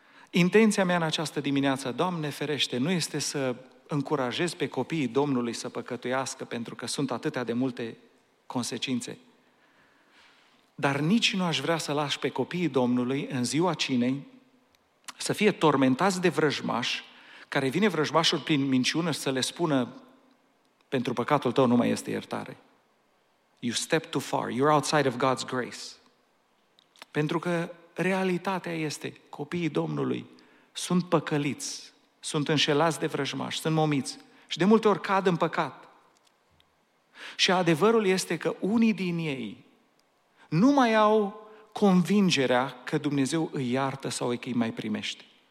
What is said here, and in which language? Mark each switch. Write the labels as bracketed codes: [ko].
[ro] Intenția mea în această dimineață, Doamne ferește, nu este să încurajez pe copiii Domnului să păcătuiască, pentru că sunt atâtea de multe consecințe. Dar nici nu aș vrea să lași pe copiii Domnului în ziua cinei să fie tormentați de vrăjmaș, care vine vrăjmașul prin minciună să le spună: pentru păcatul tău nu mai este iertare. [en] You step too far, you're outside of God's grace. [ro] Pentru că realitatea este, copiii Domnului sunt păcăliți, sunt înșelați de vrăjmași, sunt momiți și de multe ori cad în păcat. Și adevărul este că unii din ei nu mai au convingerea că Dumnezeu îi iartă sau că îi mai primește.